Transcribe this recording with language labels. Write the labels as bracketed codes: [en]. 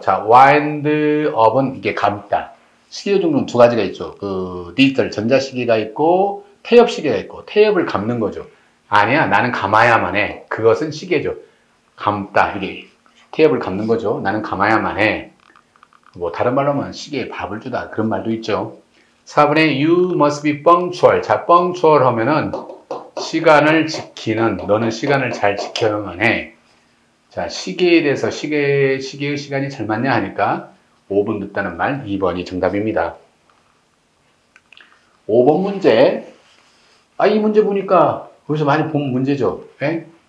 [ko] 자, wind up은 이게 감다. 시계 종류는 두 가지가 있죠. 그 디지털 전자시계가 있고 태엽 시계가 있고 태엽을 감는 거죠. 아니야, 나는 감아야만 해. 그것은 시계죠. 감다. 이게 태엽을 감는 거죠. 나는 감아야만 해. 뭐 다른 말로 하면 시계에 밥을 주다. 그런 말도 있죠. 4번에 [en] You must be punctual. [ko] 자, punctual 하면은 시간을 지키는, 너는 시간을 잘 지켜야만 해. 자, 시계에 대해서 시계의 시간이 잘 맞냐 하니까 5분 늦다는 말 2번이 정답입니다. 5번 문제. 아, 이 문제 보니까 여기서 많이 본 문제죠. 예?